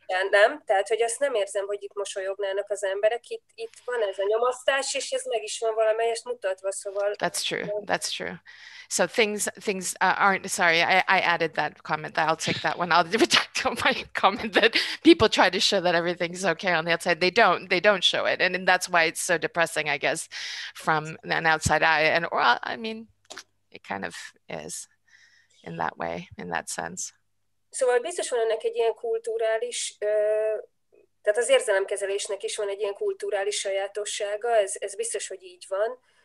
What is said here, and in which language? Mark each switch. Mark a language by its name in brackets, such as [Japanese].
[Hungarian] Nem, tehát, hogy azt nem érzem, hogy itt mosolyognának az emberek. Itt van ez a nyomasztás, és ez meg is van valamelyest mutatva, szóval... [English] That's true. So things aren't, sorry, I added that comment, that I'll take that one, I'll retract my comment that people try to show that everything's okay on the outside. They don't show it. And that's why it's so depressing, I guess, from an outside eye. And or I mean, it kind of is in that way, in that sense. [Hungarian] Szóval biztos van ennek egy ilyen kulturális, tehát az érzelemkezelésnek is van egy ilyen kulturális sajátossága, ez biztos, hogy így van.